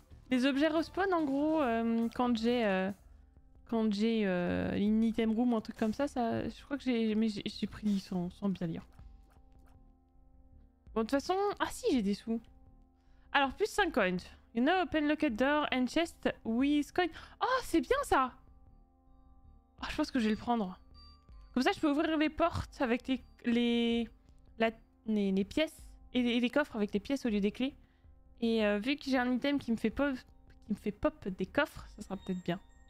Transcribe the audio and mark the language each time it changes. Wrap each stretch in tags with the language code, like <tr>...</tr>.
<fr>Les objets respawn en gros quand j'ai une item room ou un truc comme ça. Ça, je crois que j'ai pris sans bien lire. Bon, de toute façon, ah si, j'ai des sous. Alors plus 5 coins.</fr> <en>You know, open locked door and chest with coin.</en> <fr>Oh, c'est bien ça. Oh, je pense que je vais le prendre. Comme ça, je peux ouvrir les portes avec les pièces et les coffres avec les pièces au lieu des clés. Et vu que j'ai un item qui me fait pop des coffres, ça sera peut-être bien.</fr>